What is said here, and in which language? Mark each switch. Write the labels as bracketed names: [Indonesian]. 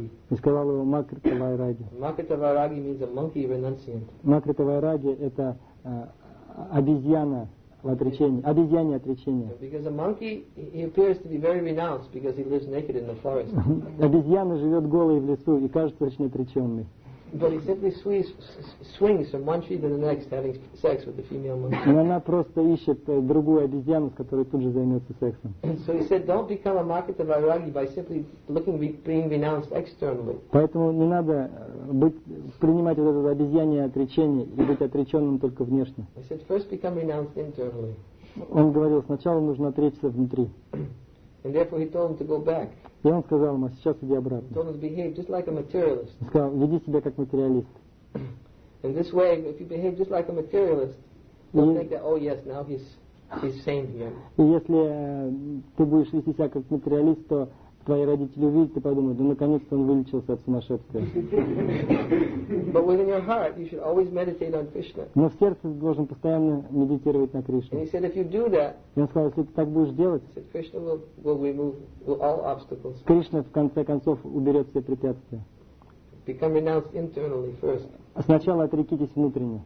[Russian] И сказал его Макрита Вайраги. [English] Макрита Вайраги means a monkey renunciant. [Russian] Макрита Вайраги это обезьяна в отречении, обезьяне отречения. [English] Because a monkey, he appears to be very renounced because he lives naked in the forest. [Russian] Обезьяна живет голой в лесу и кажется очень отреченной. [English] But he simply swings from one tree to the next, having sex with the female monkey. [Russian] Но она просто ищет другую обезьяну, с которой тут же займется сексом. [English] So he said, don't become a Makita Vairagi by simply looking being renounced externally. [Russian] Поэтому не надо принимать вот это обезьянье отречение и быть отреченным только внешне. [English] He said, first become renounced internally. [Russian] Он говорил, сначала нужно отречься внутри. [English] And therefore he told him to go back. [Russian] И он сказал ему, а сейчас иди обратно. [English] Don't behave just like a materialist. [Russian] Он сказал, веди себя как материалист. [English] In this way, if you behave just like a materialist, don't think that, oh yes, now he's sane again. [Russian] И если ты будешь вести себя как материалист, то твои родители увидят и подумают, ну наконец-то он вылечился от сумасшествия. [English] But within your heart, you should always meditate on Krishna. [Russian] Но в сердце ты должен постоянно медитировать на Кришну. [English] And he said, if you do that, [Russian] и он сказал, если ты так будешь делать, [English] said, Krishna will remove all obstacles. [Russian] Кришна в конце концов уберет все препятствия. [English] Become renounced internally first. [Russian] Сначала отрекитесь внутренне,